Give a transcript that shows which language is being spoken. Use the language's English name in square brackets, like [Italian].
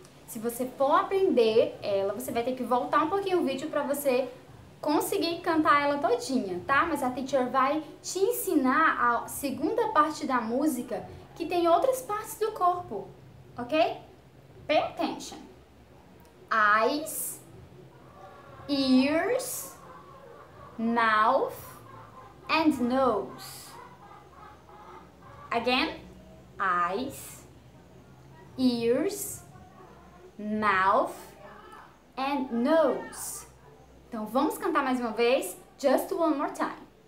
[Portuguese] Se você for aprender ela, você vai ter que voltar um pouquinho o vídeo para você conseguir cantar ela todinha, tá? Mas a teacher vai te ensinar a segunda parte da música, que tem outras partes do corpo, ok? [English] Pay attention. Eyes, ears, mouth, and nose. Again, eyes, ears, mouth, and nose. [Portuguese] Então vamos cantar mais uma vez, [English] just one more time.